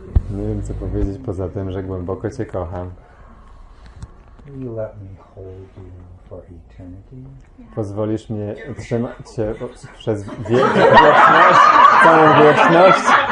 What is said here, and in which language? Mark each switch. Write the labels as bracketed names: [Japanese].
[Polish] Nie wiem, co powiedzieć poza tym, że głęboko cię kocham. [English] Will you let me hold you for eternity? [Polish] Pozwolisz mnie trzymać cię przez wieczność, całą wieczność?